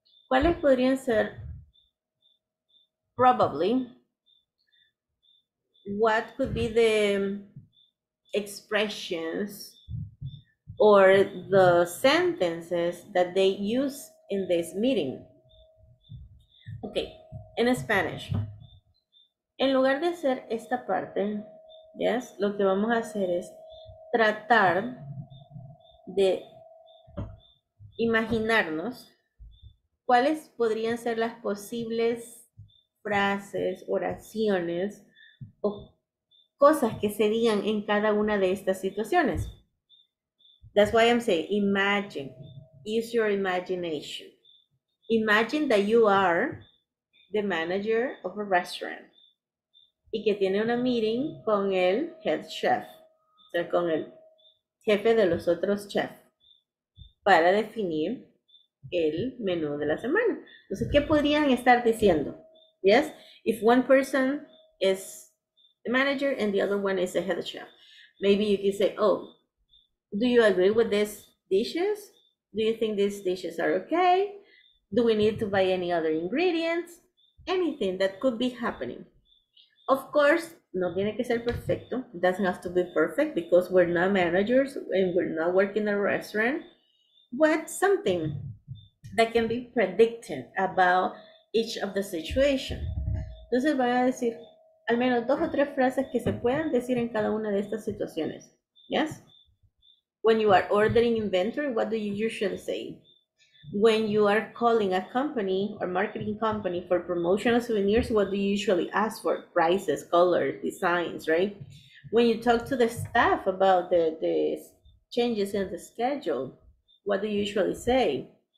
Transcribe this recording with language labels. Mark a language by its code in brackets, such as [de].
[es] ¿Cuáles podrían ser [en] probably what could be the expressions or the sentences that they use in this meeting? Okay, in Spanish. [es] En lugar de hacer esta parte, [en] yes, [es] lo que vamos a hacer es tratar de imaginarnos cuáles podrían ser las posibles frases, oraciones o cosas que se digan en cada una de estas situaciones. [en] That's why I'm saying imagine, use your imagination. Imagine that you are the manager of a restaurant [es] y que tiene una meeting con el head chef, o sea, con el jefe de los otros chefs, para definir el menú de la semana. Entonces, ¿qué podrían estar diciendo? [en] Yes, if one person is the manager and the other one is the head chef, maybe you can say, oh, do you agree with these dishes? Do you think these dishes are okay? Do we need to buy any other ingredients? Anything that could be happening. Of course, [es] no tiene que ser perfecto. [en] It doesn't have to be perfect because we're not managers and we're not working in a restaurant. But something that can be predicted about each of the situation. [es] Entonces voy a decir al menos dos o tres frases que se puedan decir en cada una de estas situaciones. [en] Yes? When you are ordering inventory, what do you usually say? When you are calling a company or marketing company for promotional souvenirs, what do you usually ask for? Prices, colors, designs, right? When you talk to the staff about the changes in the schedule, what do you usually say?